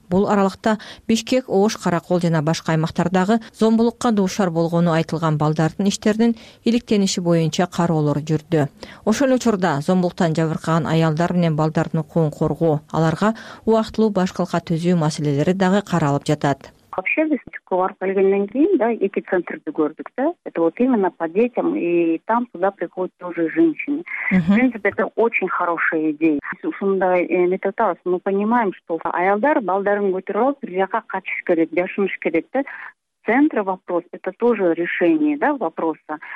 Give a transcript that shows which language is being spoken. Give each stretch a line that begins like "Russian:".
Kyrgyz: Бул аралыкта Бишкек, Ош, Каракол жана башка аймактардагы зомбулукка дуушар болгону айтылган балдардын иштеринин иликтениши боюнча кароолор жүрдү. Ошол учурда зомбулуктан жабыркаган аялдар менен балдардын укугун коргоо, аларга убактылуу башкалка түзүү маселелери дагы каралып жатат. Вообще биз чуткуга барып келгенден кийин эки центрди көрдүк да.
Russian: Это вот именно по детям, и там туда приходят тоже женщины. В принципе, это очень хорошая идея.
Kyrgyz: Биз ушундай метод алабыз.
Russian: Мы понимаем, что
Kyrgyz: аялдар балдарын көтөрүп алып бир жака качыш керек, жашыныш керек да.
Russian: Центр вопрос, это тоже решение, да, вопроса.